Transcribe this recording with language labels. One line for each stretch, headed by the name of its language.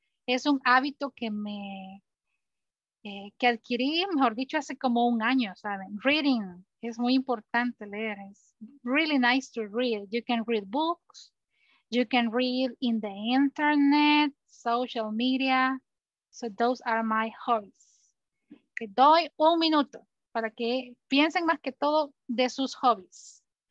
Spanish: Es un hábito que me que adquirí, mejor dicho, hace como un año, ¿saben?
English: Reading,
Spanish: es muy importante leer.
English: It's really nice to read. You can read books, you can read in the internet, social media. So those are my hobbies.
Spanish: Te doy un minuto para que piensen más que todo de sus hobbies.